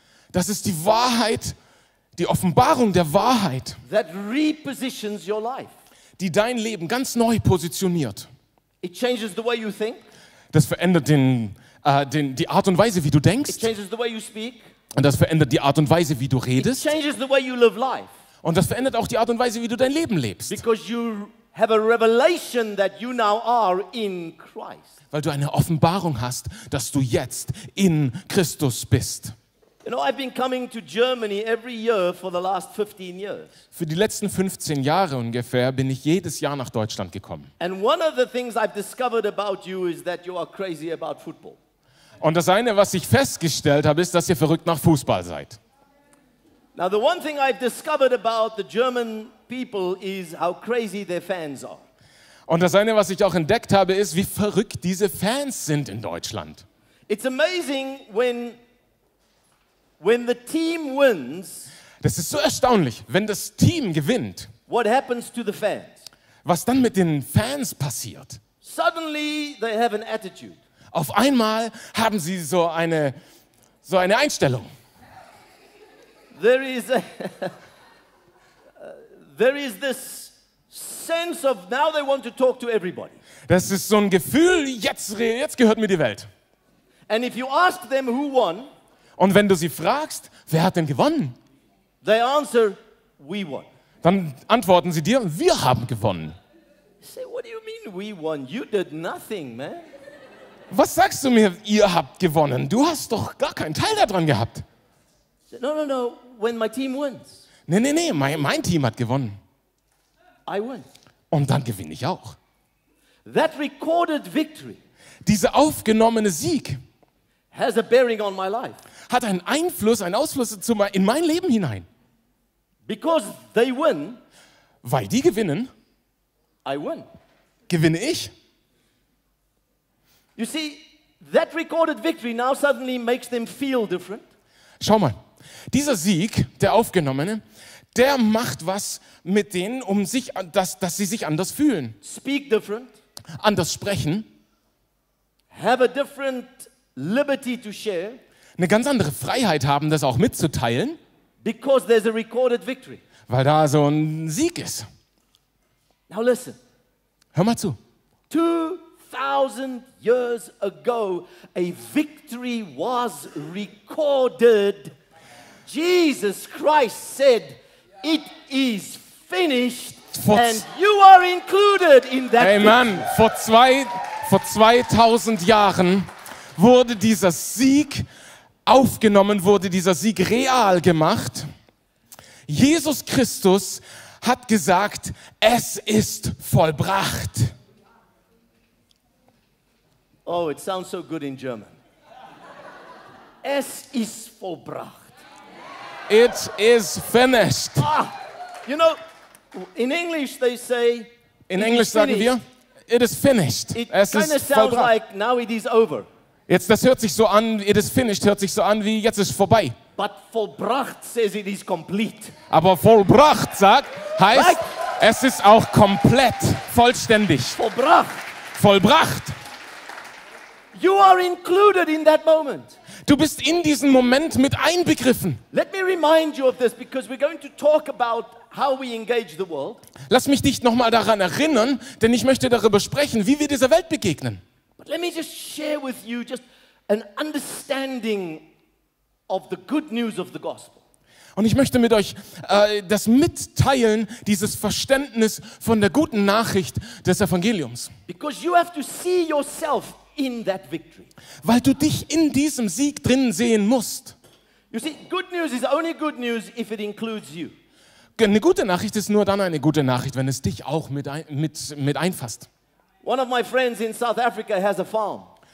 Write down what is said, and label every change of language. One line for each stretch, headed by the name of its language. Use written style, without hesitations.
German: Das ist die Wahrheit, die Offenbarung der Wahrheit,
English: that repositions your life.
German: Die dein Leben ganz neu positioniert.
English: It changes the way you think.
German: Das verändert die Art und Weise, wie du denkst.
English: It changes the way you speak.
German: Und das verändert die Art und Weise, wie du redest.
English: It changes the way you live life.
German: Und das verändert auch die Art und Weise, wie du dein Leben lebst.
English: Because you have a revelation that you now are in Christ.
German: Weil du eine Offenbarung hast, dass du jetzt in Christus bist.
English: You know, I've been coming to Germany every year for the last 15 years.
German: Für die letzten 15 Jahre ungefähr bin ich jedes Jahr nach Deutschland gekommen.
English: And one of the things I've discovered about you is that you are crazy about football.
German: Und das eine, was ich festgestellt habe, ist, dass ihr verrückt nach Fußball seid.
English: Now the one thing I've discovered about the German people is how crazy their fans are.
German: Und das eine, was ich auch entdeckt habe, ist, wie verrückt diese Fans sind in Deutschland.
English: It's amazing when the team wins.
German: Das ist so erstaunlich, wenn das Team gewinnt.
English: What happens to the fans?
German: Was dann mit den Fans passiert?
English: Suddenly they have an attitude.
German: Auf einmal haben sie so eine Einstellung.
English: There is this sense of now they want to talk to everybody.
German: Das ist so ein Gefühl, jetzt gehört mir die Welt.
English: And if you ask them who won,
German: und wenn du sie fragst, wer hat denn gewonnen?
English: They answer, we won.
German: Dann antworten sie dir, wir haben gewonnen.
English: Say, what do you mean we won? You did nothing, man.
German: Was sagst du mir, ihr habt gewonnen? Du hast doch gar keinen Teil daran gehabt.
English: Say, no, when my team wins.
German: Nee, mein Team hat gewonnen.
English: I win.
German: Und dann gewinne ich auch.
English: That recorded victory.
German: Dieser aufgenommene Sieg
English: has a bearing on my life.
German: Hat einen Einfluss, einen Ausfluss in mein Leben hinein.
English: Because they win,
German: weil die gewinnen,
English: I win.
German: Gewinne ich.
English: You see, that recorded victory now suddenly makes them feel different.
German: Schau mal, dieser Sieg, der aufgenommene, der macht was mit denen, um sich, dass sie sich anders fühlen.
English: Speak different.
German: Anders sprechen.
English: Have a different liberty to share.
German: Eine ganz andere Freiheit haben, das auch mitzuteilen.
English: Because there's a recorded victory.
German: Weil da so ein Sieg ist.
English: Now listen.
German: Hör mal zu.
English: 2000 years ago, a victory was recorded. Jesus Christ said, it is finished. And you are included in that victory. Amen.
German: Vor 2000 Jahren wurde dieser Sieg aufgenommen, wurde dieser Sieg real gemacht. Jesus Christus hat gesagt, es ist vollbracht.
English: Oh, it sounds so good in German.
German: Es ist vollbracht.
English: It is finished. Ah, you know, in English they say,
German: in Englisch sagen wir,
English: it is finished. It kind of sounds like now it is over.
German: Jetzt, das hört sich so an,
English: it is finished,
German: hört sich so an, wie jetzt ist vorbei.
English: But vollbracht says it is complete.
German: Aber vollbracht sagt, heißt, like, es ist auch komplett, vollständig. Vollbracht. Vollbracht.
English: You are included in that moment.
German: Du bist in diesem Moment mit einbegriffen.
English: Let me remind you of this, because we're going to talk about how we engage the world.
German: Lass mich dich nochmal daran erinnern, denn ich möchte darüber sprechen, wie wir dieser Welt begegnen.
English: Let me just share with you just an understanding of the good news of the gospel.
German: Und ich möchte mit euch das mitteilen, dieses Verständnis von der guten Nachricht des Evangeliums.
English: Because you have to see yourself in that victory.
German: Weil du dich in diesem Sieg drin sehen musst.
English: You see, good news is only good news if it includes you.
German: Eine gute Nachricht ist nur dann eine gute Nachricht, wenn es dich auch mit einfasst.
English: One of my friends in South Africa has a farm.